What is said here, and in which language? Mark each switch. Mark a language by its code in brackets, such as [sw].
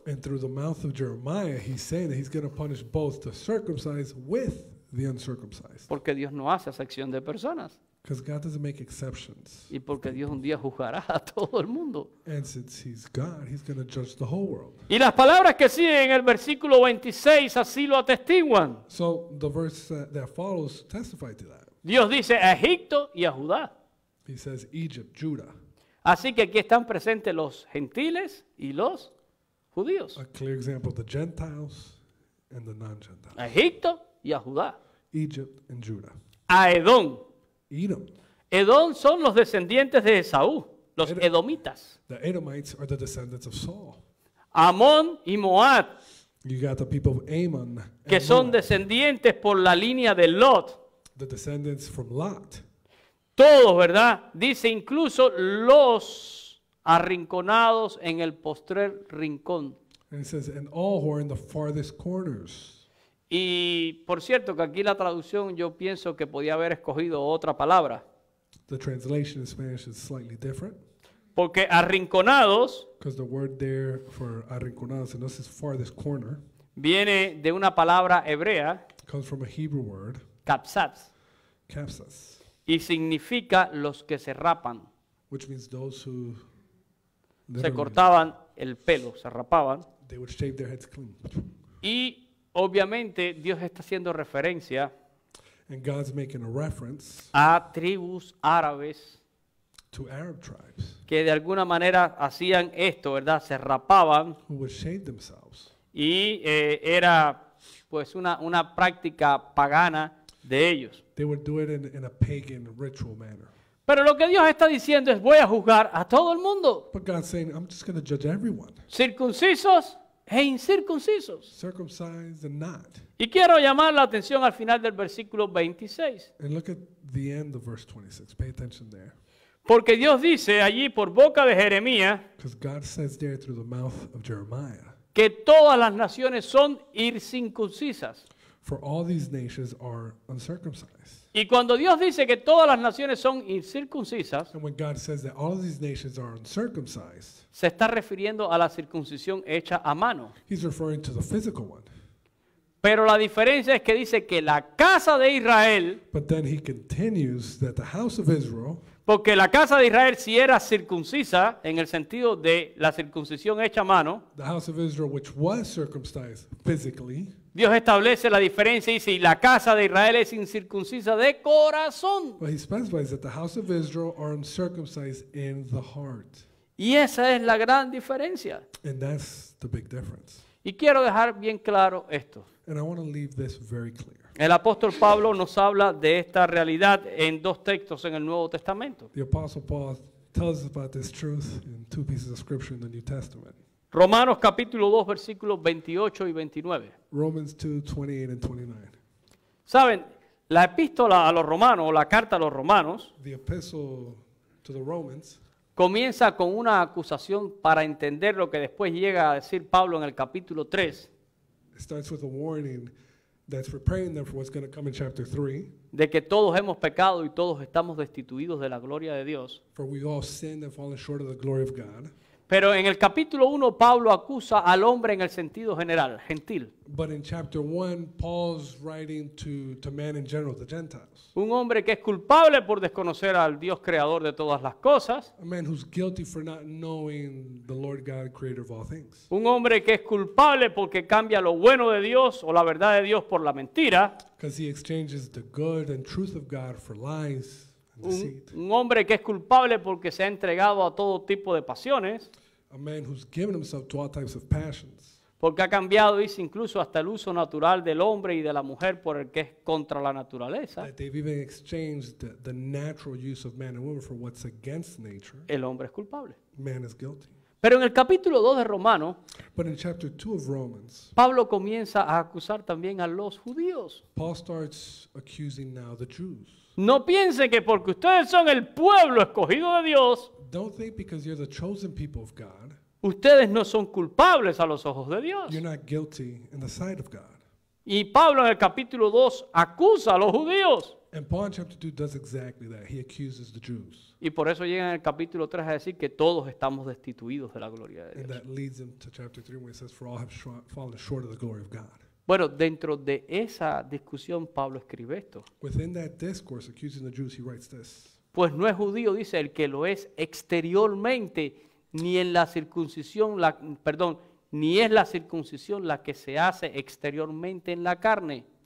[en] And through the mouth of Jeremiah, he's saying that he's going to punish both the circumcised with the uncircumcised. [es] Porque Dios no hace excepción de personas. [en] Because God doesn't make exceptions. [es] Y porque Dios un día juzgará a todo el mundo. [en] And since he's God, he's going to judge the whole world. [es] Y las palabras que siguen en el versículo 26 así lo atestiguan. [en] So the verse that follows testify to that. [es] Dios dice a Egipto y a Judá. [en] He says Egypt, Judah. [es] Así que aquí están presentes los gentiles y los judíos. [en] A clear example of the Gentiles and the non-Gentiles. [es] A Egipto y a Judá. [en] Egypt and Judah. [es] A Edom. [en] Edom. [es] Edom son los descendientes de Esaú, los Edomitas. [en] The Edomites are the descendants of Saul. [es] Amón y Moab. [en] You got the people of Ammon. [es] Que son descendientes por la línea de Lot. [en] The descendants from Lot. [es] Todos, ¿verdad? Dice incluso los arrinconados en el postrer rincón. [en] And it says, and all who are in the farthest corners. [es] Y por cierto, que aquí la traducción yo pienso que podía haber escogido otra palabra. [en] The translation in Spanish is slightly different. [es] Porque arrinconados. [en] Because the word there for arrinconados, and this is farthest corner. [es] Viene de una palabra hebrea. [en] Comes from a Hebrew word. [he] Capsats. Capsats. [es] Y significa los que se rapan. [en] Which means those who [es] se cortaban el pelo, se rapaban. [en] They would shave their heads clean. [es] Y obviamente Dios está haciendo referencia [en] and God's making a reference [es] a tribus árabes [en] to Arab tribes [es] que de alguna manera hacían esto, ¿verdad? Se rapaban. [en] Who would shave themselves. [es] Y era pues una práctica pagana de ellos. [en] They would do it in a pagan ritual manner. [es] Pero lo que Dios está diciendo es voy a juzgar a todo el mundo. [en] But God's saying I'm just going to judge everyone. [es] Circuncisos e incircuncisos. [en] Circumcised and not. [es] Y quiero llamar la atención al final del versículo 26. [en] And look at the end of verse 26. Pay attention there. [es] Porque Dios dice allí por boca de Jeremías. [en] Because God says there through the mouth of Jeremiah. [es] Que todas las naciones son incircuncisas. [en] For all these nations are uncircumcised. [es] Y cuando Dios dice que todas las naciones son incircuncisas, [en] and when God says that all of these nations are uncircumcised, [es] se está refiriendo a la circuncisión hecha a mano. [en] He's referring to the physical one. [es] Pero la diferencia es que dice que la casa de Israel, [en] but then he continues that the house of Israel, [es] porque la casa de Israel sí era circuncisa en el sentido de la circuncisión hecha a mano, [en] the house of Israel which was circumcised physically, [es] Dios establece la diferencia y dice, y la casa de Israel es incircuncisa de corazón. [en] But he specifies that the house of Israel are uncircumcised in the heart. [es] Y esa es la gran diferencia. [en] And that's the big difference. [es] Y quiero dejar bien claro esto. [en] And I want to leave this very clear. [es] El apóstol Pablo nos habla de esta realidad en dos textos en el Nuevo Testamento. [en] The apostle Paul tells about this truth in two pieces of scripture in the New Testament. [es] Romanos capítulo 2 versículos 28 y 29. [en] Romans 2, 28 and 29. [es] ¿Saben? La epístola a los romanos, o la carta a los romanos, [en] the epistle to the Romans, [es] comienza con una acusación para entender lo que después llega a decir Pablo en el capítulo 3. [en] It starts with a warning that's preparing them for what's going to come in chapter 3. [es] De que todos hemos pecado y todos estamos destituidos de la gloria de Dios. [en] For we all sinned and fallen short of the glory of God. [es] Pero en el capítulo 1 Pablo acusa al hombre en el sentido general, gentil. [en] But in chapter 1 Paul's writing to man in general, the Gentiles. [es] Un hombre que es culpable por desconocer al Dios creador de todas las cosas. [en] A man who's guilty for not knowing the Lord God, creator of all things. [es] Un hombre que es culpable porque cambia lo bueno de Dios o la verdad de Dios por la mentira. [en] Because he exchanges the good and truth of God for lies. [es] Un hombre que es culpable porque se ha entregado a todo tipo de pasiones. [en] A man who's given himself to all types of passions. [es] Porque ha cambiado, dice, incluso hasta el uso natural del hombre y de la mujer por el que es contra la naturaleza. [en] That they've even exchanged the natural use of man and woman for what's against nature. [es] El hombre es culpable. [en] Man is guilty. [es] Pero en el capítulo 2 de Romanos, [en] but in chapter 2 of Romans, [es] Pablo comienza a acusar también a los judíos. [en] Paul starts accusing now the Jews. [es] No piense que porque ustedes son el pueblo escogido de Dios, [en] don't think because you're the chosen people of God, [es] ustedes no son culpables a los ojos de Dios. [en] You're not guilty in the sight of God. [es] Y Pablo en el capítulo 2 acusa a los judíos. [en] And Paul in chapter 2 does exactly that. He accuses the Jews. [es] Y por eso llega en el capítulo 3 a decir que todos estamos destituidos de la gloria de Dios. [en] And that leads him to chapter 3 where he says, for all have fallen short of the glory of God. [es] Bueno, dentro de esa discusión, Pablo escribe esto. [en] Within that discourse, accusing the Jews, he writes this. [es] Pues no es judío, dice, el que lo es exteriormente, ni en la circuncisión, ni es la circuncisión la que se hace exteriormente en la carne.